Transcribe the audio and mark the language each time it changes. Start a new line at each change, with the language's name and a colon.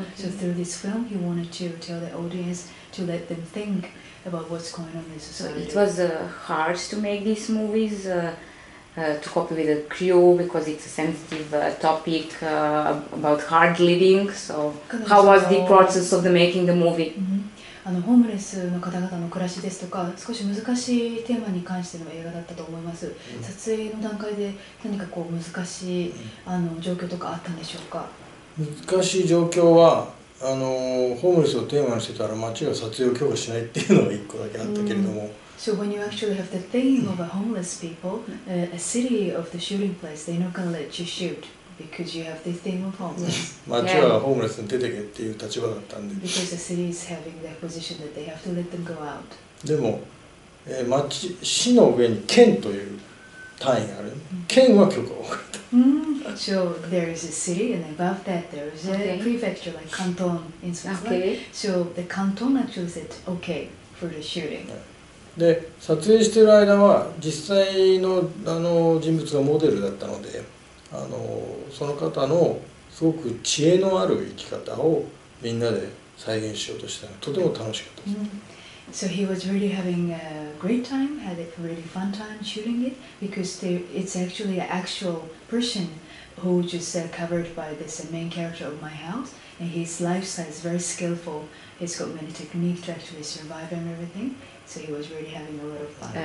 English: So through this film, he wanted to tell the audience to let them think about what's going on in society. It was hard to make these movies to copy with a crew, because it's a sensitive topic about hard living. So how was the process of the making the movie? Mm-hmm.
Japanese: ホームレスの方々の暮らしですとか少し難しいテーマに関しての映画だったと思います、うん、撮影の段階で何かこう難しい、うん、状況とかあったんでしょうか。難しい状況はホームレスをテーマにしてたら街が撮影を許可しないっていうのが一個だけあったけれども、うん、
English: So when you actually have the theme of a homeless people、a city of the shooting place, they're not gonna let you shoot because you have the theme of homeless.
Japanese: 街はホームレスに出てけっていう立場だったんで。
English: Because the city is having that position that they have to let them go out.
Japanese: でも、市の上に県という単位がある。県は許可を得た。
English: So there is a city and above that there is a prefecture like Canton in Switzerland. Okay. So the Canton actually said okay for the shooting.
Japanese: で撮影している間は実際 の, 人物がモデルだったのでその方のすごく知恵のある生き方をみんなで再現しようとしたのがとても楽しかったです。
English: So he was really having a great time, had a really fun time shooting it because it's actually an actual person who just covered by this main character of my house and his lifestyle is very skillful. He's got many techniques to actually survive and everything. So he was really having a lot of fun.